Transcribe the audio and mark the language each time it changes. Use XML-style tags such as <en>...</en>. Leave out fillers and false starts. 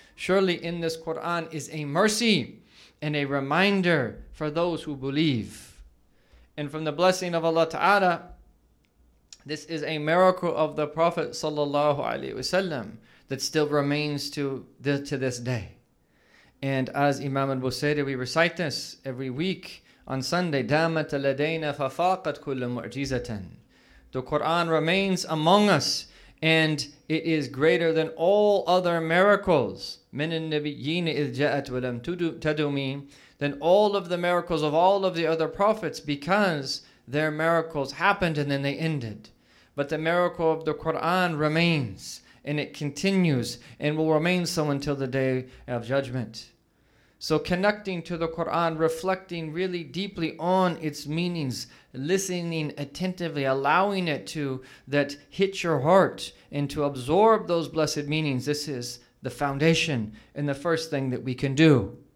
<en>Surely in this Quran is a mercy and a reminder for those who believe. And from the blessing of Allah Ta'ala, this is a miracle of the Prophet Sallallahu Alaihi Wasallam that still remains to this day. And as Imam al-Busayri, we recite this every week on Sunday.</en> <ar>دامت لدينا ففاقت كل معجزة.</ar> <en>The Quran remains among us, and it is greater than all other miracles.</en> <ar>من النبيين إذ جاءت ولم تدومي.</ar> <en>Than all of the miracles of all of the other prophets, because their miracles happened and then they ended. But the miracle of the Quran remains, and it continues and will remain so until the day of judgment. So connecting to the Quran, reflecting really deeply on its meanings, listening attentively, allowing it to that hit your heart and to absorb those blessed meanings, this is the foundation and the first thing that we can do.</en>